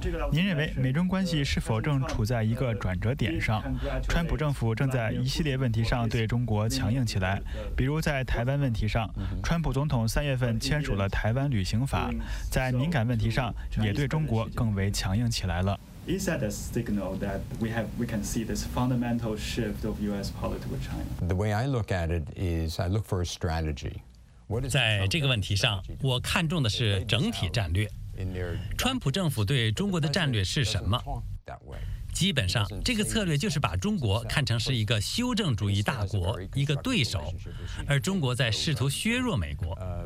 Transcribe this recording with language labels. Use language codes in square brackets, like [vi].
[zh] 您认为美中关系是否正处在一个转折点上？川普政府正在一系列问题上对中国强硬起来，比如在台湾问题上，川普总统三月份签署了台湾旅行法，在敏感问题上也对中国更为强硬起来了。 [en] Is that a signal that we can see this fundamental shift of U.S. policy with China? The way I look at it is I look for a strategy. [zh] 在这个问题上，我看重的是整体战略。川普政府对中国的战略是什么？基本上，这个策略就是把中国看成是一个修正主义大国，一个对手，而中国在试图削弱美国。